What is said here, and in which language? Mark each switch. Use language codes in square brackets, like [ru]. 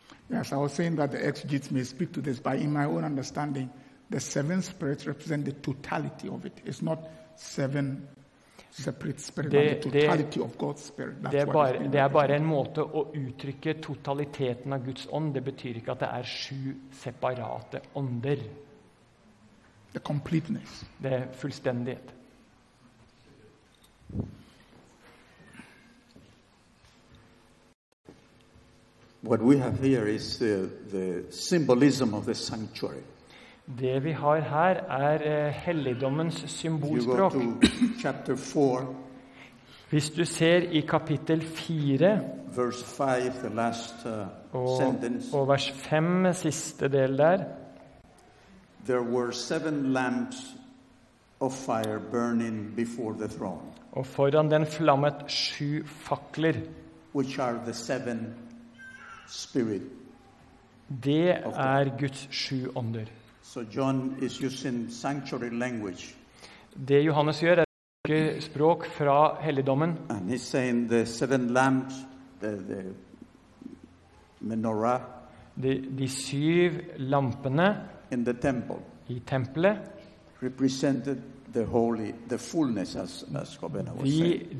[en] Yes, I was saying that the exegetes may speak to this, but in my own understanding, the seven spirits represent the totality of it. It's not seven separate spirit, det, but the totality of God's spirit. That's [no] det er bare, what det er bare en måte å uttrykke totaliteten av Guds ånd. Det betyr ikke at det er sju separate ånder. [en] The completeness. [no] Det er fullstendighet. [en] What we have here is the symbolism of the sanctuary. [no] Det vi har her er helligdommens symbolspråk. [en] You go to chapter 4. [no] Hvis du ser i kapittel 4, [en] verse 5, the last sentence. [no] Og vers 5, siste del der. [en] There were seven lamps of fire burning before the throne. [no] Og foran den flammet sju fakler. [en] Which are the seven spirit. [no] Det er Guds sju ånder. [en] So John is using sanctuary language. [no] Det Johannes gjør er å bruke språk fra helligdommen. [en] And he's saying the seven lamps, the menorah. [no] De syv lampene [en] in the temple. [no] I tempelet [en] represented the holy, the fullness, as Kobena was saying.